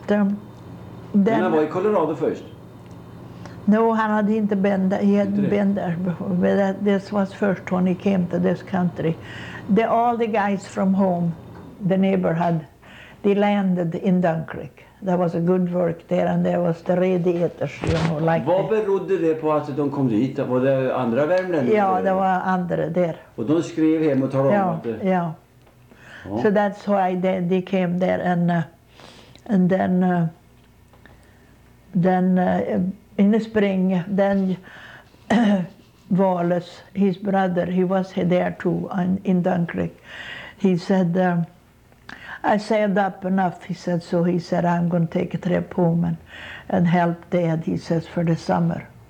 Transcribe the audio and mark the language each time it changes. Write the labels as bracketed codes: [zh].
[sv] then han var i Colorado först. No, han hade inte [en] been there. He hadn't been there before. But that, this was first when he came to this country. All the guys from home, the neighborhood, they landed in Dunkirk. There was a good work there, and there was the radiators, you know, like that. [sv] Vad berodde det på att de kom dit? Var det andra värmländer? Ja, det var andra där. Och de skrev hem och talade ja, om att det... Ja, ja. [en] So that's why they came there, and then in the spring, then... Wallace, his brother, he was there too, in Dunkirk. He said, I saved up enough, he said, so he said, I'm going to take a trip home and help Dad, he says, for the summer.